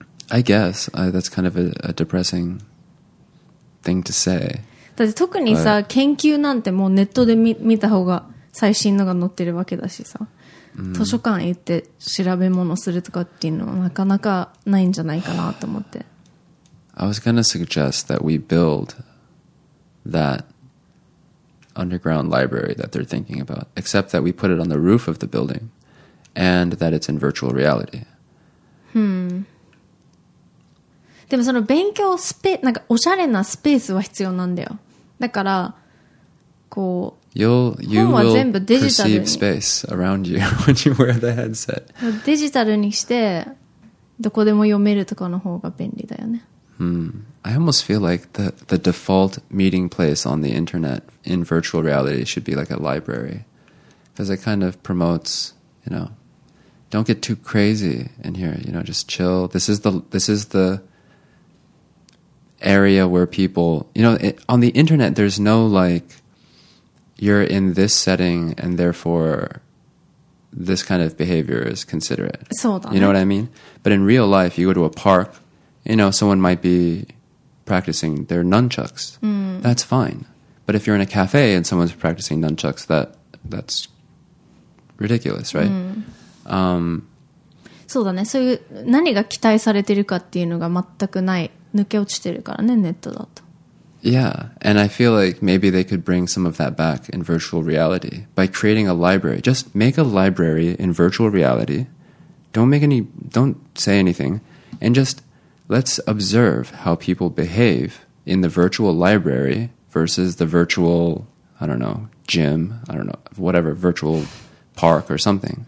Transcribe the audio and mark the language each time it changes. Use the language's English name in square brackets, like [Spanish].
[English] I guess. That's kind of a depressing... thing to say. [Japanese] だって特にさ、研究なんてもうネットで見た方が最新のが載ってるわけだしさ、図書館行って調べ物するとかっていうのはなかなかないんじゃないかなと思って。 [English] I was gonna suggest that we build that underground library that they're thinking about, except that we put it on the roof of the building and that it's in virtual reality. [Japanese] でもその勉強スペなんかおしゃれなスペースは必要なんだよ。だからこう本は全部デジタルに。 [English] You will perceive space around you when you wear the headset. [Japanese] デジタルにしてどこでも読めるとかの方が便利だよね。 [English] I almost feel like the default meeting place on the internet in virtual reality should be like a library, because it kind of promotes, you know, don't get too crazy in here. You know, just chill. This is the area where people, you know, on the internet, there's no like you're in this setting and therefore this kind of behavior is considerate. [Japanese] そうだね。 [English] You know what I mean? But in real life, you go to a park, you know, someone might be practicing their nunchucks. That's fine. But if you're in a cafe and someone's practicing nunchucks, that's ridiculous, right? [Japanese] そうだね。そういう何が期待されてるかっていうのが全くない。抜け落ちてるからね、ネットだと。 [English] Yeah, and I feel like maybe they could bring some of that back in virtual reality by creating a library. Just make a library in virtual reality. Don't say anything. And just let's observe how people behave in the virtual library versus the virtual, I don't know, gym, I don't know, whatever, virtual park or something.